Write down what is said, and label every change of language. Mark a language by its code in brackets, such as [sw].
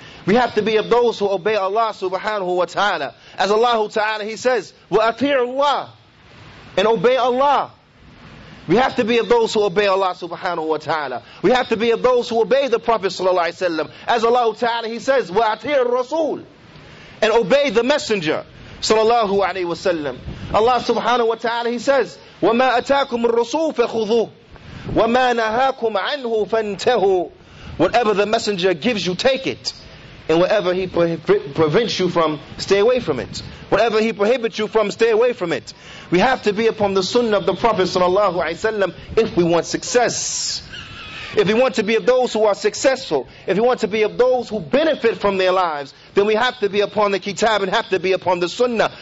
[en] We have to be of those who obey Allah subhanahu wa ta'ala. As Allah ta'ala, He says, [ar] وَأَطِيعُ اللَّهِ, [en] and obey Allah. We have to be of those who obey Allah subhanahu wa ta'ala. We have to be of those who obey the Prophet sallallahu alayhi wa sallam. As Allah ta'ala, He says, [ar] وَأَطِيعُ الرَّسُولِ, [en] and obey the Messenger sallallahu alayhi wa sallam. Allah subhanahu wa ta'ala, He says, [ar] وَمَا أَتَاكُمُ الرَّسُولُ فَخُذُوهُ وَمَا نَهَاكُمْ عَنْهُ فَانْتَهُوا. [en] Whatever the Messenger gives you, take it. And whatever He prevents you from, stay away from it. Whatever He prohibits you from, stay away from it. We have to be upon the Sunnah of the Prophet sallallahu alaihi wasallam if we want success. If we want to be of those who are successful, if we want to be of those who benefit from their lives, then we have to be upon the Kitab and have to be upon the Sunnah.